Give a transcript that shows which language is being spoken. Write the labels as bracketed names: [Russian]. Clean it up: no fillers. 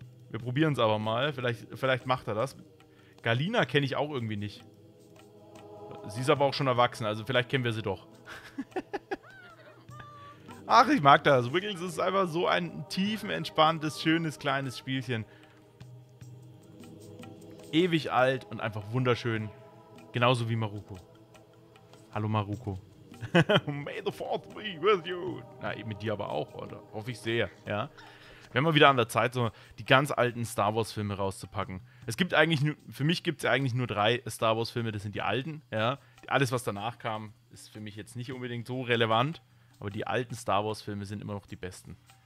[German] Wir probieren es aber mal. Vielleicht macht er das. Galina kenne ich auch irgendwie nicht. Sie ist aber auch schon erwachsen. Also vielleicht kennen wir sie doch. Ach, ich mag das. Wiggles ist einfach so ein tiefenentspanntes, schönes, kleines Spielchen. Ewig alt und einfach wunderschön. Genauso wie Maruko. Hallo Maruko. [English] May the fourth be with you. [German] Na, eben mit dir aber auch, oder? Hoffe ich sehr, ja. Wir haben mal wieder an der Zeit, so die ganz alten Star Wars Filme rauszupacken. Es gibt eigentlich, für mich gibt es ja eigentlich nur drei Star Wars Filme. Das sind die alten, ja. Alles, was danach kam, ist für mich jetzt nicht unbedingt so relevant. Aber die alten Star Wars Filme sind immer noch die besten.